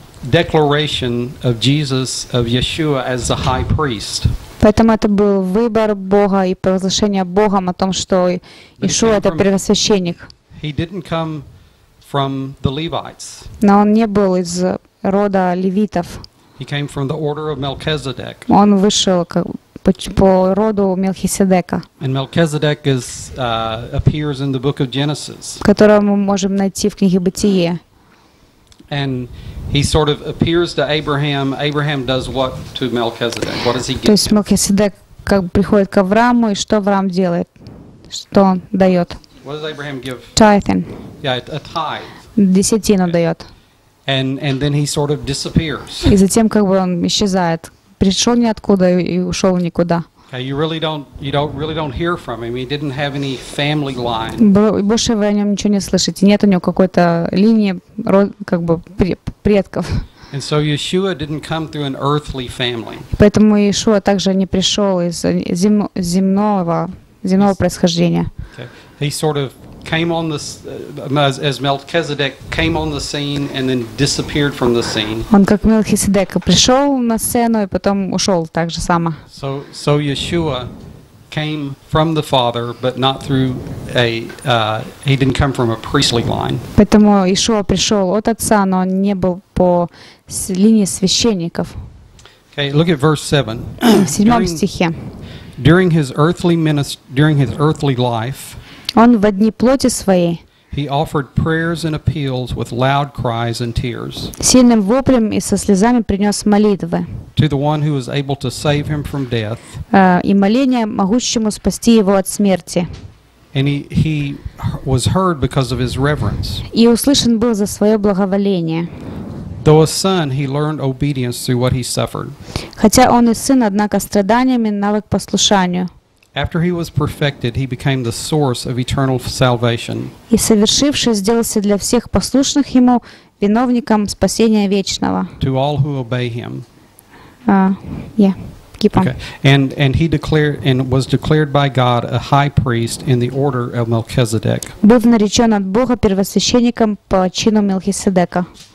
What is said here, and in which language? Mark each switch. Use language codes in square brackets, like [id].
[en] declaration of Jesus of Yeshua as the high priest. [ru] Поэтому это был выбор Бога и провозглашение Богом о том, что Иешуа это первосвященник. [en] He didn't come from the Levites. [ru] Но он не был из рода левитов. [en] He came from the order of Melchizedek. [ru] Он вышел как по роду Мелхиседека. [en] And Melchizedek is appears in the book of Genesis. [ru] Которого мы можем найти в книге Бытие. [en] And he sort of appears to Abraham. Abraham does what to Melchizedek? What does he give? [ru] То есть Мелхиседек как приходит к Аврааму и что Авраам делает? Что он дает? [en] What does Abraham give? Tithe. Yeah, a tithe. [ru] Десятину дает. [en] And then he sort of disappears. [ru] И затем как бы он исчезает. Пришел ниоткуда и ушел никуда. [en] Okay, you really don't hear from him. He didn't have any family line. [ru] Больше вы о нем ничего не слышите. Нет у него какой-то линии как бы предков. [en] And so Yeshua didn't come through an earthly family. [ru] Поэтому Иешуа также не пришел из земного происхождения. [en] Okay. He sort of came on the as Melchizedek came on the scene and then disappeared from the scene. [ru] Он как Мелхиседек пришел на сцену и потом ушел так же само. [en] So Yeshua came from the Father, but not through he didn't come from a priestly line. [ru] Поэтому Иешуа пришел от Отца, но он не был по линии священников. [en] Okay, look at verse 7. [ru] В седьмом стихе. [en] During his earthly life. [ru] Он в одни плоти своей. [en] He offered prayers and appeals with loud cries and tears. [ru] Сильным воплем и со слезами принес молитвы. [en] To the one who was able to save him from death. [ru] И моление могущему спасти его от смерти. [en] And he was heard because of his reverence. [ru] И услышан был за свое благоволение. [en] Though a son, he learned obedience through what he suffered. [ru] Хотя он и сын, однако страданиями навык послушанию. [en] After he was perfected, he became the source of eternal salvation. [ru] И совершившись, сделался для всех послушных ему виновником спасения вечного. [en] To all who obey him. Okay. And he declared and was declared by God a high priest in the order of Melchizedek. [ru] Был наречен от Бога первосвященником по чину Мелхиседека.